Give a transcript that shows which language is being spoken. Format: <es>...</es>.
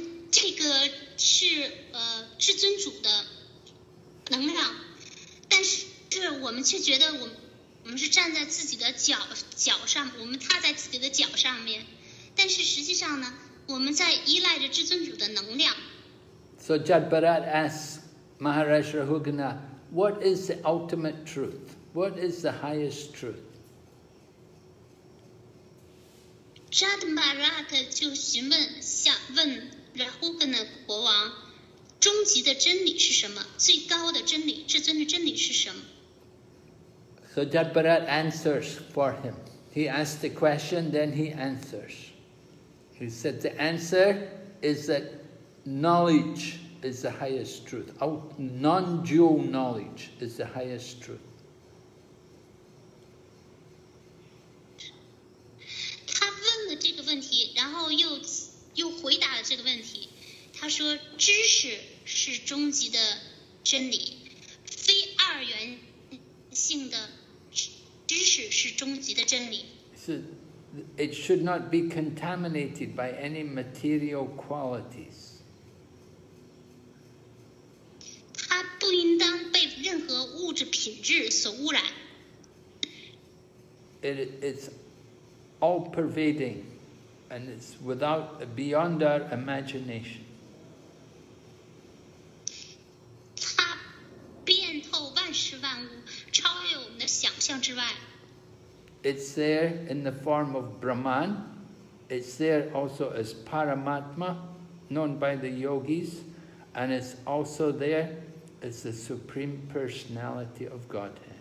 <zh>这个是至尊主的能量，但是我们却觉得我们是站在自己的脚上，我们踏在自己的脚上面，但是实际上呢，我们在依赖着至尊主的能量。</zh> <en>So Jadbharat asks Maharaj Rahugana, "What is the ultimate truth? What is the highest truth?"</en> <zh>Jadbharat 就想问。Rahugana 国王，终极的真理是什么？最高的真理，至尊的真理是什么？</zh> <en>So Jadbharat answers for him. He asks the question, then he answers. He said, "The answer is that knowledge is the highest truth. Non-dual knowledge is the highest truth."</en> <zh>他问了这个问题，然后又回答了这个问题，他说：“知识是终极的真理，非二元性的知识是终极的真理。</zh> <en>It should not be contaminated by any material qualities.</en> <zh>它不应当被任何物质品质所污染。</zh> <en>It's all pervading.” And it's without beyond our imagination.</en> <zh>它遍透万事万物，超越我们的想象之外。</zh> <en>It's there in the form of Brahman. It's there also as Paramatma, known by the yogis, and it's also there as the Supreme Personality of Godhead.</en>